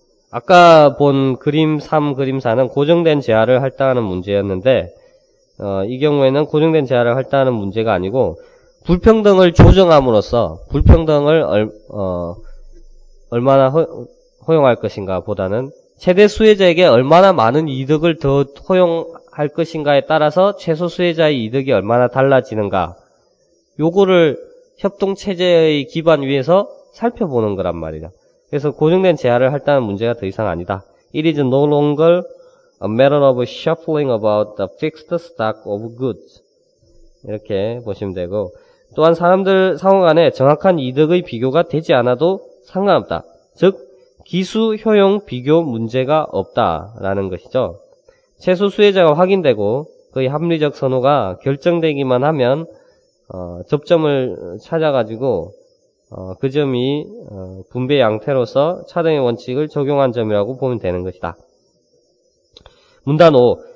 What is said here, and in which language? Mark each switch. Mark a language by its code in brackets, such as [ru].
[ko] 아까 본 그림 3, 그림 4는 고정된 제한을 할당하는 문제였는데 이 경우에는 고정된 제한을 할당하는 문제가 아니고 불평등을 조정함으로써 불평등을 얼마나 허용할 것인가 보다는 최대 수혜자에게 얼마나 많은 이득을 더 허용할 것인가에 따라서 최소 수혜자의 이득이 얼마나 달라지는가 요거를 협동체제의 기반 위에서 살펴보는 거란 말이야. 그래서 고정된 제한을 할당하는 문제가 더 이상 아니다. [en] It is no longer a matter of shuffling about the fixed stock of goods. [ko] 이렇게 보시면 되고 또한 사람들 상호 간에 정확한 이득의 비교가 되지 않아도 상관없다. 즉, 기수 효용 비교 문제가 없다라는 것이죠. 최소 수혜자가 확인되고 그의 합리적 선호가 결정되기만 하면 접점을 찾아가지고 그 점이 분배 양태로서 차등의 원칙을 적용한 점이라고 보면 되는 것이다. 문단 5.